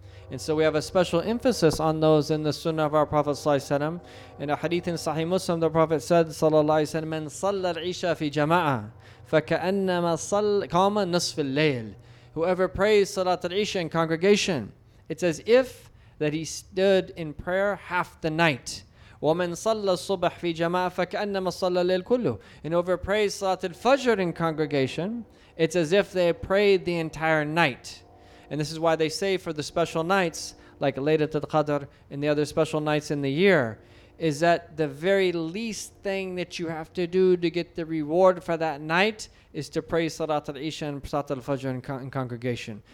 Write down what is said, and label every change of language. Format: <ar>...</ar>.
<en>And so we have a special emphasis on those in the Sunnah of our Prophet sallallahu alayhi wa sallam. In a hadith in Sahih Muslim, the Prophet said, sallallahu alayhi wa sallam,</en> <ar>من صلى العشاء في جماعة فكأنما صلى قام نصف الليل.</ar> <en>Whoever prays Salat al-Isha in congregation, it's as if that he stood in prayer half the night.</en> <ar>ومن صلى الصبح في جماعة فكأنما صلى الليل كله.</ar> <en>And whoever prays Salat al-Fajr in congregation, it's as if they prayed the entire night. And this is why they say for the special nights, like Laylat al-Qadr and the other special nights in the year, is that the very least thing that you have to do to get the reward for that night is to pray Salat al-Isha and Salat al-Fajr in congregation.</en>